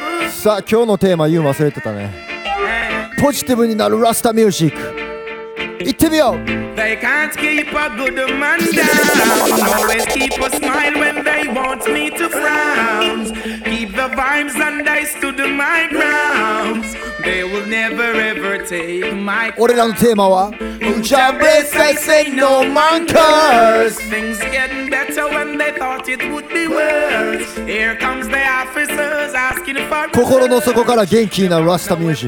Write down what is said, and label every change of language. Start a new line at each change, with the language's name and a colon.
Japanese: さあ今日のテーマ言うの忘れてたね。ポジティブになるラスタミュージック行ってみよう。
English: They can't keep a good man down. Always keep a smile when they want me to frown. Keep the vibes and I stood my ground. They will never ever take my crown.
Japanese: 俺らのテーマは
English: Jah bless I say no man curse. Things getting better when they thought it would be worse. Here comes the officer.
Japanese: 心の底から元気になるラスタミュージ